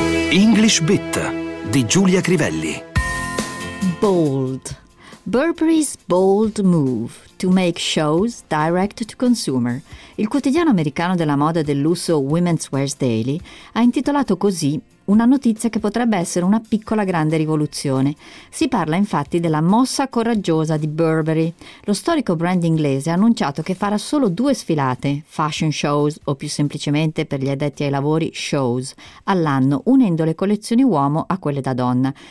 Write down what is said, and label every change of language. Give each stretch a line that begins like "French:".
Italian: English Bit di Giulia Crivelli.
English: Bold. Burberry's bold move to make shows direct to consumer.
Italian: Il quotidiano americano della moda e del lusso Women's Wear Daily ha intitolato così una notizia che potrebbe essere una piccola grande rivoluzione. Si parla infatti della mossa coraggiosa di Burberry. Lo storico brand inglese ha annunciato che farà solo due sfilate, fashion shows o più semplicemente per gli addetti ai lavori, shows, all'anno, unendo le collezioni uomo a quelle da donna.